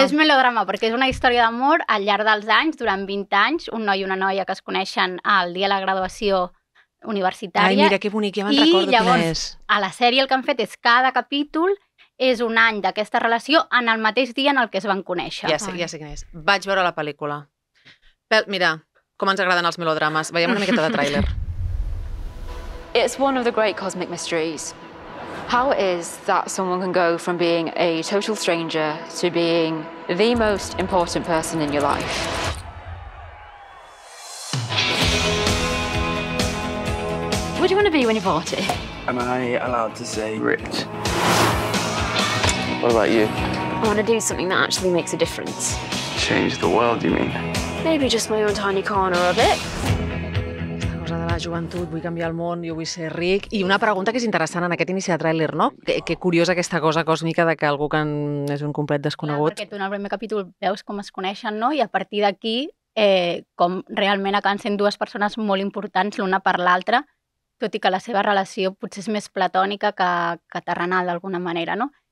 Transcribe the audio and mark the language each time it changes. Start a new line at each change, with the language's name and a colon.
Catalan: És melodrama, perquè és una història d'amor al llarg dels anys, durant 20 anys, un noi i una noia que es coneixen al dia de la graduació universitària. Ai, mira, que bonic, ja me'n recordo quina és. I llavors, a la sèrie el que han fet és cada capítol és un any d'aquesta relació en el mateix dia en el que es van conèixer. Ja sé quina és. Vaig veure la pel·lícula. Mira, com ens agraden els melodrames. Veiem una miqueta de tràiler.
English: It's one of the great cosmic mysteries. How is that someone can go from being a total stranger to being the most important person in your life? What do you want to be when you're 40? Am I allowed to say rich? What about you? I want to do something that actually makes a difference. Change the world, you mean? Maybe just my own tiny corner of it.
Catalan: De la joventut, vull canviar el món, jo vull ser ric. I una pregunta que és interessant en aquest inici de tràiler, no? Que curiosa aquesta cosa còsmica de que algú que és un complet desconegut... Clar, perquè tu en el primer capítol veus com es coneixen, no? I a partir d'aquí, com realment acaben sent dues persones molt importants l'una per l'altra, tot i que la seva relació potser és més platònica que terrenal, d'alguna manera, no?